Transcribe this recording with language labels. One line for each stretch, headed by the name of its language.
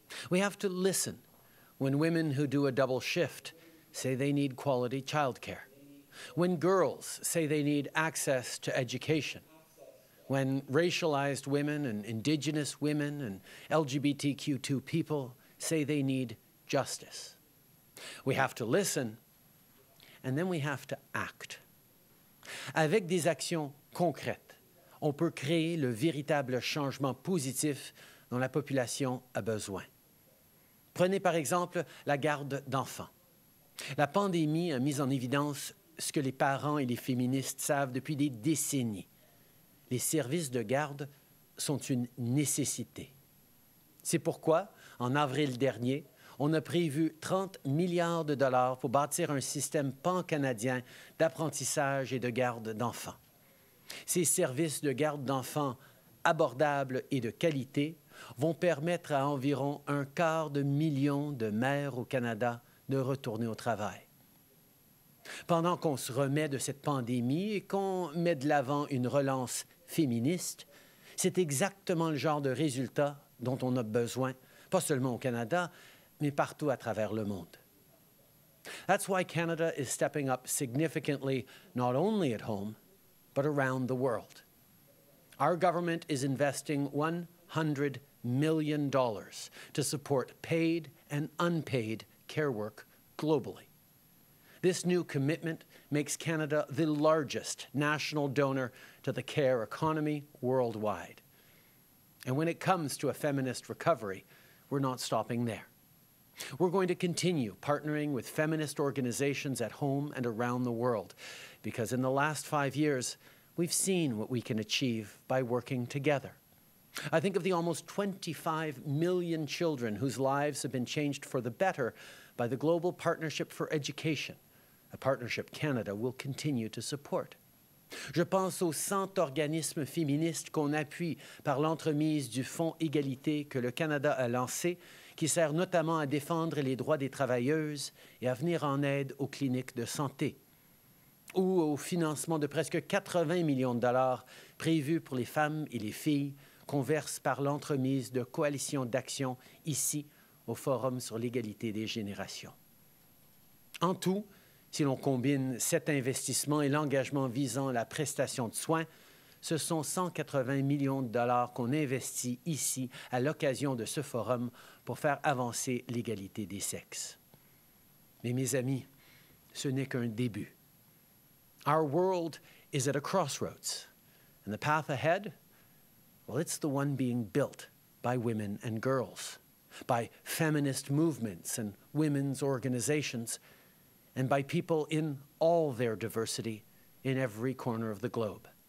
English: We have to listen when women who do a double shift say they need quality childcare, when girls say they need access to education, when racialized women and indigenous women and LGBTQ2 people say they need justice. We have to listen, and then we have to act.
French: Avec des actions concrètes, on peut créer le véritable changement positif dont la population a besoin. Prenez par exemple la garde d'enfants. La pandémie a mis en évidence ce que les parents et les féministes savent depuis des décennies. Les services de garde sont une nécessité. C'est pourquoi, en avril dernier, on a prévu 30 milliards de dollars pour bâtir un système pan-canadien d'apprentissage et de garde d'enfants. Ces services de garde d'enfants abordables et de qualité vont permettre à environ un quart de million de mères au Canada de retourner au travail. Pendant qu'on se remet de cette pandémie et qu'on met de l'avant une relance féministe, c'est exactement le genre de résultat dont on a besoin, pas seulement au Canada, mais partout à travers le monde.
English: That's why Canada is stepping up significantly, not only at home, but around the world. Our government is investing $100 million to support paid and unpaid care work globally. This new commitment makes Canada the largest national donor to the care economy worldwide. And when it comes to a feminist recovery, we're not stopping there. We're going to continue partnering with feminist organizations at home and around the world, because in the last 5 years, we've seen what we can achieve by working together. I think of the almost 25 million children whose lives have been changed for the better by the Global Partnership for Education, a partnership Canada will continue to support.
French: Je pense aux 100 organismes féministes qu'on appuie par l'entremise du Fonds Égalité que le Canada a lancé, qui sert notamment à défendre les droits des travailleuses et à venir en aide aux cliniques de santé, ou au financement de presque 80 millions de dollars prévus pour les femmes et les filles qu'on verse par l'entremise de coalitions d'action ici au Forum sur l'égalité des générations. En tout, si l'on combine cet investissement et l'engagement visant la prestation de soins, ce sont 180 millions de dollars qu'on investit ici à l'occasion de ce forum pour faire avancer l'égalité des sexes. Mais mes amis, ce n'est qu'un début.
English: Our world is at a crossroads, and the path ahead, well, it's the one being built by women and girls, by feminist movements and women's organizations, and by people in all their diversity in every corner of the globe.